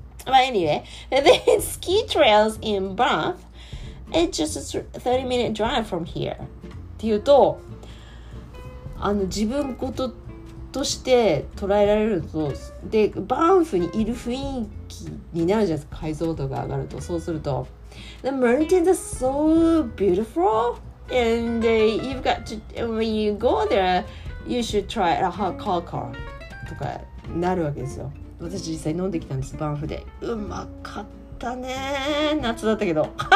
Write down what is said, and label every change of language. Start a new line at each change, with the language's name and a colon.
English: まあ anyway, there's ski trails in Banff. It's just a 30 minute drive from here.
Japanese: って言うと、あの自分事として捉えられると、でバンフにいる雰囲気になるじゃないですか、解像度が上がると。
English: そうすると、The mountains are so beautiful, and you've got to, when you go there, you should try a hot cocoa.
Japanese: とかなるわけですよ。私実際飲んできたんです、バンフで。うまかったね。夏だったけど。